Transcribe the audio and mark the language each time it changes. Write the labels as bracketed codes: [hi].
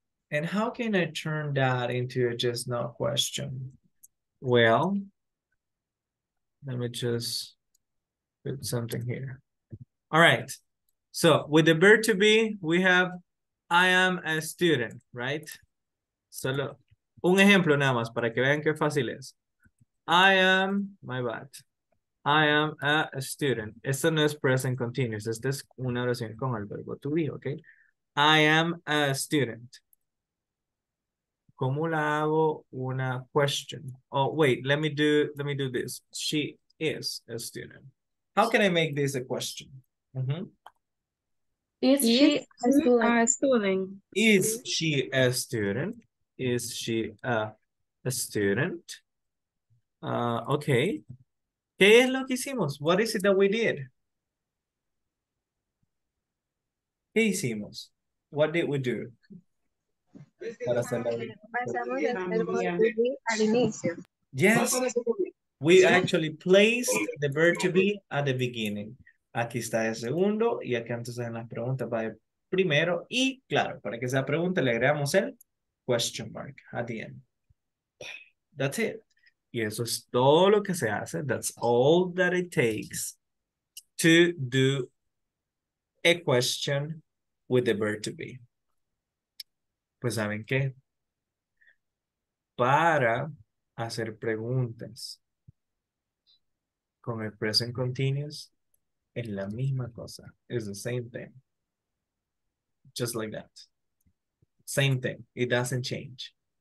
[en] And how can I turn that into a just no question? Well, let me just put something here. All right. So with the verb to be, we have, I am a student, right? [es] Solo un ejemplo nada más para que vean qué fácil es. [en] I am a student. [es] Esto no es present continuous. Esta es una oración con el verbo to be, okay? [en] I am a student. [es] ¿Cómo la hago una question? [en] Oh, wait, let me do this. She is a student. How can I make this a question? Mm-hmm. Is she a student? Okay. [es] ¿Qué es lo que hicimos? [en] What is it that we did? [es] ¿Qué hicimos? [en] What did we do? [es] Para hacer la... [en] Yes, we actually placed the verb to be at the beginning. [es] Aquí está el segundo y aquí antes en las preguntas va el primero. Y claro, para que sea pregunta le agregamos el question mark [en] at the end. That's it. [es] Y eso es todo lo que se hace. [en] That's all that it takes to do a question with the verb to be. [es] Pues saben qué, para hacer preguntas con el present continuous es la misma cosa, [en] it's the same thing, just like that, same thing, it doesn't change.